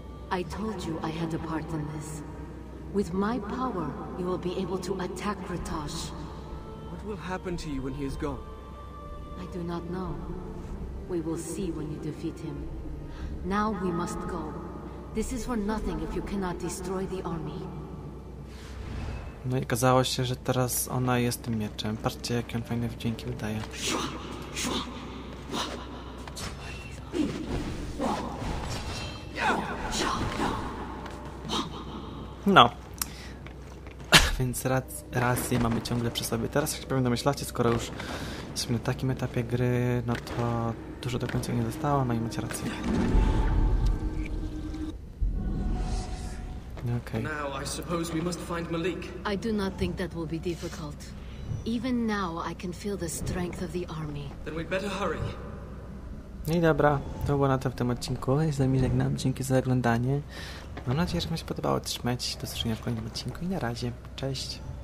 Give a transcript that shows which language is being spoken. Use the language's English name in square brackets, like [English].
[English] I told you I had a part in this. With my power, you will be able to attack Ratash. What will happen to you when he is gone? I do not know. We will see when you defeat him. Now we must go. This is for nothing if you cannot destroy the army. [Polish] No i okazało się, że teraz ona jest tym mieczem. Patrzcie, jakie on fajne wdzięki wydaje. No. Więc rację mamy ciągle przy sobie. Teraz, jak się pewnie domyślacie, skoro już jesteśmy na takim etapie gry, no to dużo do końca nie zostało, no i macie rację. [English] Okay. Now I suppose we must find Malik. I do not think that will be difficult. Even now I can feel the strength of the army. Then we'd better hurry. [Polish] No i dobra, to było na to w tym odcinku. Jest za miłek nam, dzięki za oglądanie. Mam nadzieję, że wam się podobało. Trzymajcie się, do zobaczenia w kolejnym odcinku i na razie. Cześć!